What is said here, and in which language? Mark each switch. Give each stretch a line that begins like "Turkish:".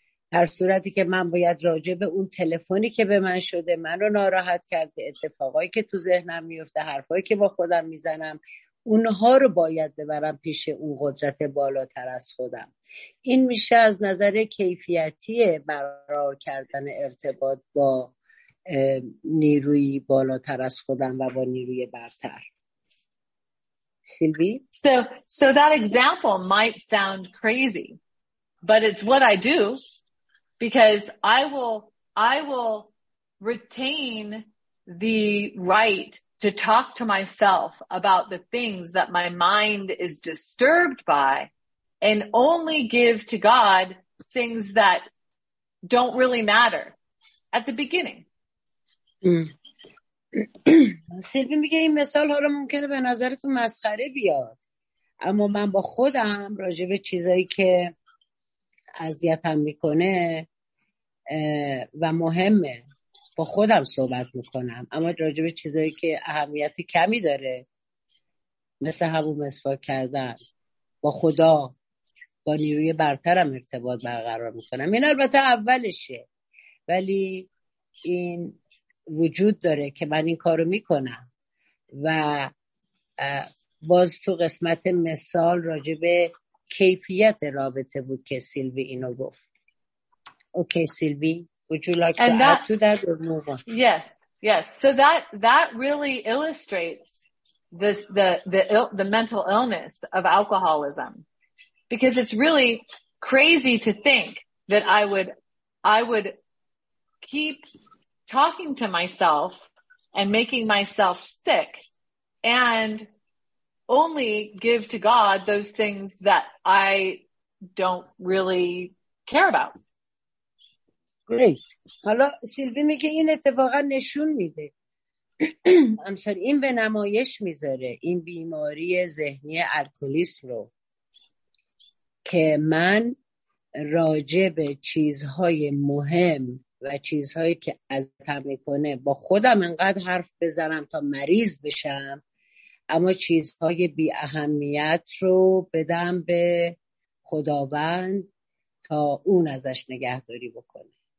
Persian: در صورتی که من باید راجع به اون تلفنی که به من شده، من رو ناراحت کرده، اتفاقایی که تو ذهنم میفته، حرفایی که با خودم میزنم، اونها رو باید ببرم پیش اون قدرت بالاتر از خودم. این میشه از نظر کیفیتی برقرار کردن ارتباط با نیروی بالاتر از خودم و با نیروی برتر.
English: Sylvie? So that example might sound crazy, but it's what I do, because I will retain the right to talk to myself about the things that my mind is disturbed by and only give to God things that don't really matter at the beginning.
Persian: سیلوی میگه این مثال حالا ممکنه به نظرتون مسخره بیاد، اما من با خودم راجع به چیزایی که اذیتم میکنه و مهمه با خودم صحبت میکنم، اما راجع به چیزایی که اهمیت کمی داره، مثل همون مسواک کردن، با خدا با نیروی برترم ارتباط برقرار میکنم. این البته اولشه، ولی این وجود داره که من این کارو میکنم و باز تو قسمت مثال راجع به کیفیت رابطه بود که سیلوی اینو گفت. اوکی سیلوی،
English: would you like and to that, add to that or move on? Yes. So that really illustrates the mental illness of alcoholism, because it's really crazy to think that I would keep talking to myself and making myself sick and only give to God those things that I don't really care about. Great.
Persian: حالا سیلوی میگه این اتفاقا نشون میده. همسر این به نمایش میذاره این بیماری ذهنی الکلیسم رو که من راجع به چیزهای مهم و چیزهایی که اذیتم میکنه با خودم انقدر حرف بزنم تا مریض بشم، اما چیزهای بی اهمیت رو بدم به خداوند تا اون ازش نگهداری بکنه.